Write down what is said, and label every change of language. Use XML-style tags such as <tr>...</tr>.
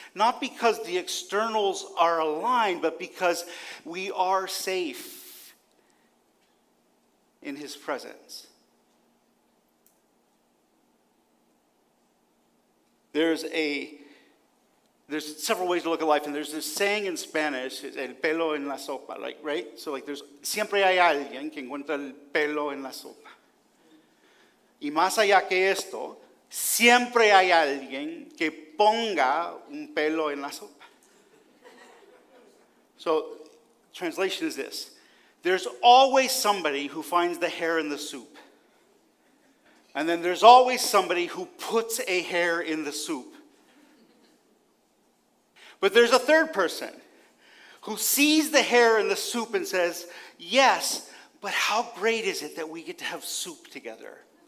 <en>Not because the externals are aligned, but because we are safe in his presence. There's several ways to look at life, and there's this saying in Spanish,</en> <es>el pelo en la sopa,</es> <en>like, right? So like there's,</en> <es>siempre hay alguien que encuentra el pelo en la sopa. Y más allá que esto, siempre hay alguien que ponga un pelo en la sopa.</es> <en>So, translation is this. There's always somebody who finds the hair in the soup. And then there's always somebody who puts a hair in the soup. But there's a third person who sees the hair in the soup and says, yes, but how great is it that we get to have soup together?</en>